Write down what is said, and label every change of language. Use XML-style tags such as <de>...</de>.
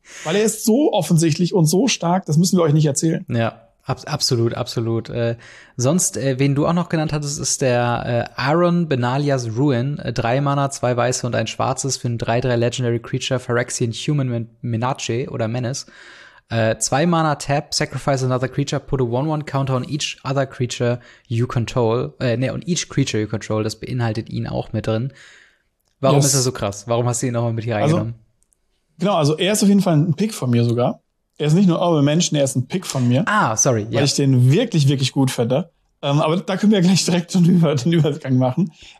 <de>Weil er ist so offensichtlich und so stark, das müssen wir euch nicht erzählen. Ja, absolut, absolut. Sonst, wen du auch noch genannt hattest, ist der Aaron Benalias Ruin. 3 Mana, 2 Weiße und ein Schwarzes für ein 3-3 Legendary Creature Phyrexian Human Menace oder Menace.</de> <en>2 Mana tap, sacrifice another creature, put a 1-1 counter on each other creature you control. On each creature you control.</en> <de>Das beinhaltet ihn auch mit drin. Warum ist er so krass? Warum hast du ihn nochmal mit hier reingenommen? Also er ist auf jeden Fall ein Pick von mir sogar. Er ist nicht nur Honorable Mention, er ist ein Pick von mir. Ah, sorry. Weil ich den wirklich, wirklich gut fände. Aber da können wir ja gleich direkt schon den Übergang machen.</de>